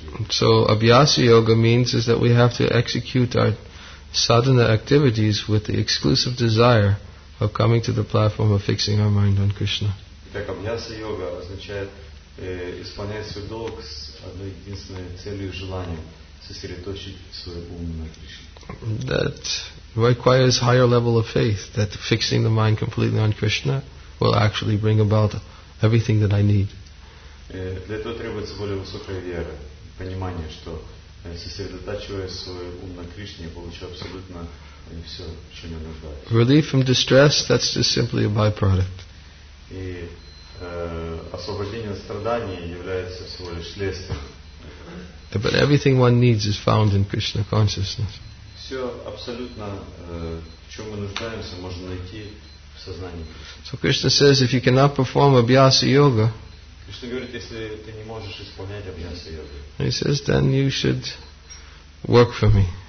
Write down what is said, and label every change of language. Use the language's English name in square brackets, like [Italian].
[English] So Abhyasa Yoga means is that we have to execute our sadhana activities with the exclusive desire of coming to the platform of fixing our mind on Krishna. [Russian] Так Абьяса йога означает исполнять свой долг с одной единственной целью и желанием сосредоточить свой ум на Кришне. [English] That requires higher level of faith, that fixing the mind completely on Krishna will actually bring about everything that I need. [Russian] Для этого требуется более высокая вера, понимание, что сосредотачивая свой ум на Кришне, я получу абсолютно все, что мне нужно. [English] Relief from distress, that's just simply a byproduct. [Russian] И освобождение от страданий является всего лишь следствием. [English] But everything one needs is found in Krishna consciousness. [Russian] Все абсолютно, в чем мы нуждаемся, можно найти в сознании. [English] So Krishna says, if you cannot perform Abhyasa Yoga, He says, then you should work for me.